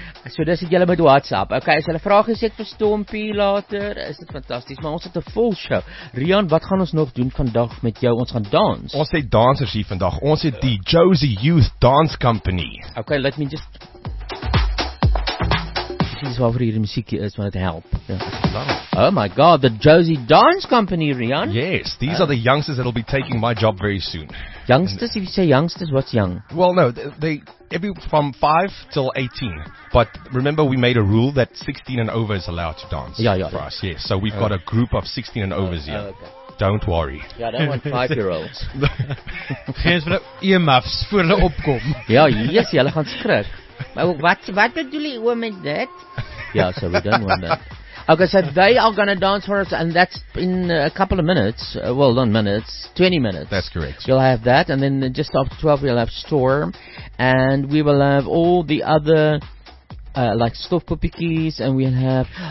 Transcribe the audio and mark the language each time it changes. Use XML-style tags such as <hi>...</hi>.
<af>So dis het julle met WhatsApp. Okay, as hulle vraag is ek vir Stompie later, is dit fantasties, maar ons het 'n vol show. Rian, wat gaan ons nog doen vandag met jou? Ons gaan dans. Ons het dansers hier vandag. Ons het die Josie Youth Dance Company.</af> <en>Okay, let me just...</en> <af>Dis waarvoor hierdie muziekje is, want het help.</af> <en>Yeah. Oh my god, the Josie Dance Company, Rian. Yes, these are the youngsters that will be taking my job very soon. Youngsters? If you say youngsters, what's young? Well, no, they every from 5 till 18. But remember, we made a rule that 16 and over is allowed to dance for us. Yes, so we've got a group of 16 and overs here. Don't worry. Yeah, 5-year-olds.</en> <af>Earmuffs, voor hulle opkom. Ja, yes, hulle gaan skrik. What bedoel jy oom met dit?</af> <en>Yeah, so we don't want that. Okay, so they are going to dance for us, and that's in a couple of minutes. Well, not minutes, 20 minutes. That's correct. You'll have that, and then just after 12, we'll have Storm, and we will have all the other, like, Stofpuppiekies, and we'll have...</en>